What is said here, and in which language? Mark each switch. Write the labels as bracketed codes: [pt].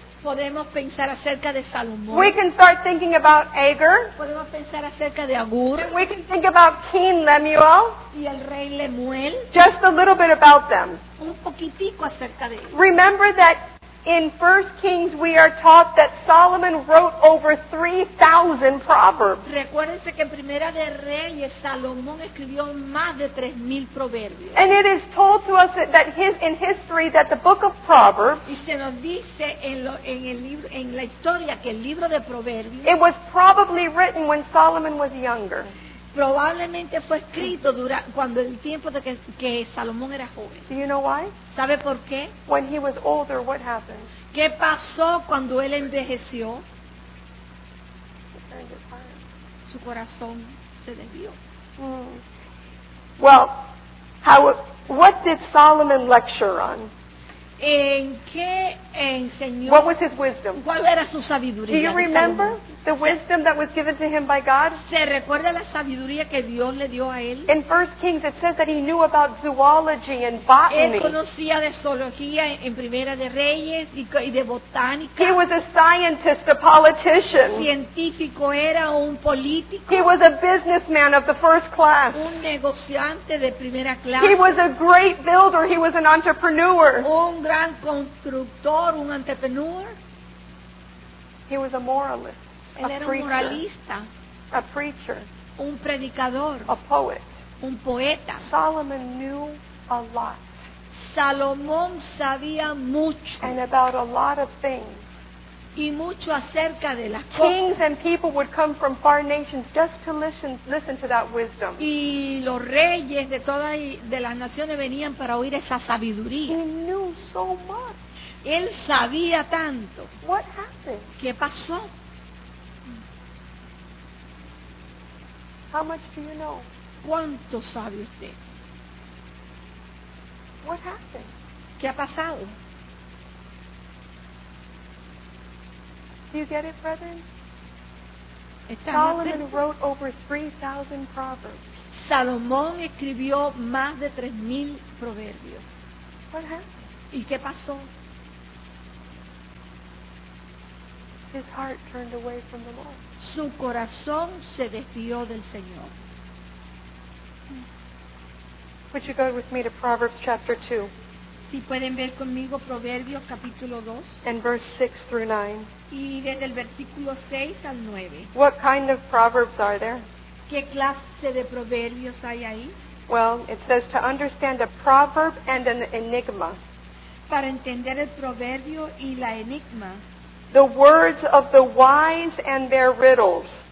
[es] Podemos pensar acerca de Salomón. [en] We can start thinking about Agur. [es] Podemos pensar acerca de Agur. [en] We can think about King Lemuel. [es] Y el rey Lemuel. [en] Just a little bit about them. [es] Un poquitico acerca de ellos. [en] Remember that in 1 Kings we are taught that Solomon wrote over 3,000 proverbs. [es] Recuérdense que en Primera de Reyes Salomón escribió más de 3,000 proverbios. [en] And it is told to us that in history that the book of Proverbs. [es] Y se nos dice en la historia que el libro de proverbios. [en] It was probably written when Solomon was younger. [es] Probablemente fue escrito cuando el tiempo de que Salomón era joven. [en] Do you know why? [es] ¿Sabe por qué? [en] When he was older, what happened? [es] ¿Qué pasó cuando él envejeció? Su corazón se desvió. [en] Well, what did Solomon lecture on? [es] ¿En qué enseñó? [en] What was his wisdom? [es] ¿Cuál era su sabiduría? [en] Do you remember? [es] Salomón? [en] The wisdom that was given to him by God. [es] ¿Se recuerda la sabiduría que Dios le dio a él? [en] In 1 Kings it says that he knew about zoology and botany. [es] Él conocía de zoología en Primera de Reyes y de botánica. [en] He was a scientist, a politician. [es] Científico era, un político. [en] He was a businessman of the first class. [es] Un negociante de primera clase. [en] He was a great builder. He was an entrepreneur. [es] Un gran constructor, un entrepreneur. [en] He was a moralist. [es] Él era un moralista, [en] a preacher, [es] un predicador, [en] a poet, [es] un poeta. [en] Solomon knew a lot. [es] Salomón sabía mucho. [en] And about a lot of things. [es] Y mucho acerca de las cosas. [en] Kings and people would come from far nations just to listen to that wisdom. [es] Y los reyes de todas de las naciones venían para oír esa sabiduría. [en] He knew so much. [es] Él sabía tanto. [en] What happened? [es] ¿Qué pasó? [en] How much do you know? [es] ¿Cuánto sabe usted? [en] What happened? [es] ¿Qué ha pasado? [en] Do you get it, brethren? Solomon wrote over 3,000 proverbs. [es] Salomón escribió más de 3,000 proverbios. [en] What happened? [es] ¿Y qué pasó? [en] His heart turned away from the Lord. [es] Su corazón se desvió del Señor. [en] Would you go with me to Proverbs chapter 2? [es] Si pueden ver conmigo Proverbios capítulo 2. [en] And verse 6 through 9. [es] Y desde el versículo 6 al 9. [en] What kind of proverbs are there? [es] ¿Qué clase de proverbios hay ahí? [en] Well, it says to understand a proverb and an enigma. [es] Para entender el proverbio y la enigma. [en] The words of the wise and their riddles.